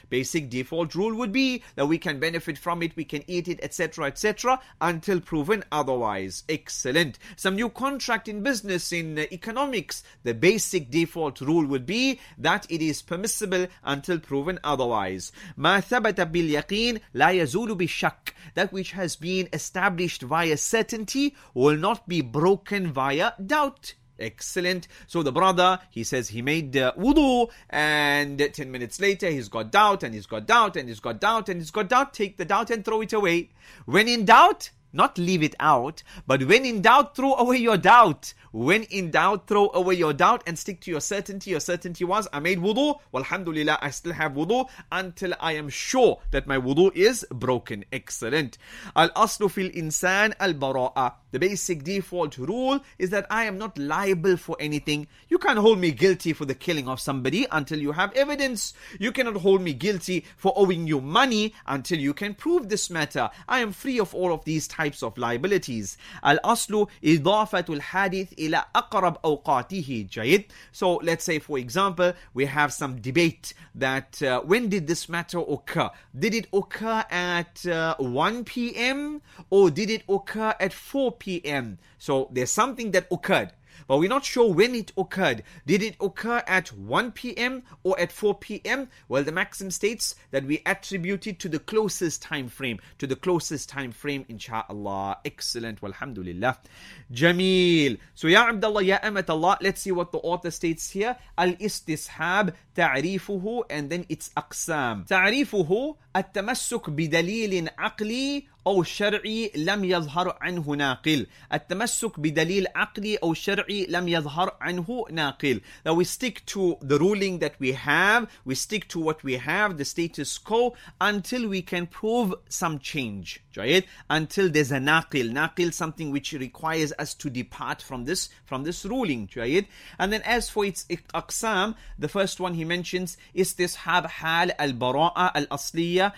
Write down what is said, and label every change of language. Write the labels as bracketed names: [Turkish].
[English] Basic default rule would be that we can benefit from it, we can eat it, etc., etc., until proven otherwise. Excellent. Some new contract in business, in economics, the basic default rule would be that it is permissible until proven otherwise. [Arabic] ما ثبت باليقين لا يزول بشك. [English] That which has been established via certainty will not be broken via doubt. Excellent. So the brother, he says he made wudu, and 10 minutes later he's got doubt, and he's got doubt, and he's got doubt, and he's got doubt. Take the doubt and throw it away. When in doubt, not leave it out, but when in doubt, throw away your doubt. When in doubt, throw away your doubt and stick to your certainty. Your certainty was, I made wudu. Walhamdulillah, I still have wudu until I am sure that my wudu is broken. Excellent. [Arabic] Al-aslu fil insan al-bara'a. [English] The basic default rule is that I am not liable for anything. You can't hold me guilty for the killing of somebody until you have evidence. You cannot hold me guilty for owing you money until you can prove this matter. I am free of all of these types of liabilities. [Arabic] Al-aslu idafatul hadith إلى أقرب أوقاته جيد. [English] So let's say, for example, we have some debate that when did this matter occur? Did it occur at 1 p.m. or did it occur at 4 p.m.? So there's something that occurred, but we're not sure when it occurred. Did it occur at 1 p.m. or at 4 p.m.? Well, the maxim states that we attribute it to the closest time frame. To the closest time frame, insha'Allah. Excellent. Walhamdulillah. Jameel. So, Ya Abdullah, Ya Amatullah, let's see what the author states here. [Arabic] Al-istishab ta'rifuhu, [English] and then it's aqsam. [Arabic] Ta'rifuhu, at-tamassuk bidalilin aqli, أو شرعي لم يظهر عنه ناقل. التمسك بدليل عقلي أو شرعي لم يظهر عنه ناقل. [English] Now we stick to the ruling that we have. We stick to what we have, the status quo, until we can prove some change. [Arabic] جايد. [English] Until there's a ناقل. ناقل, something which requires us to depart from this ruling. [Arabic] جايد. [English] And then as for its أقسام, the first one he mentions is this [Arabic] حاب حال البراءة الأصلية.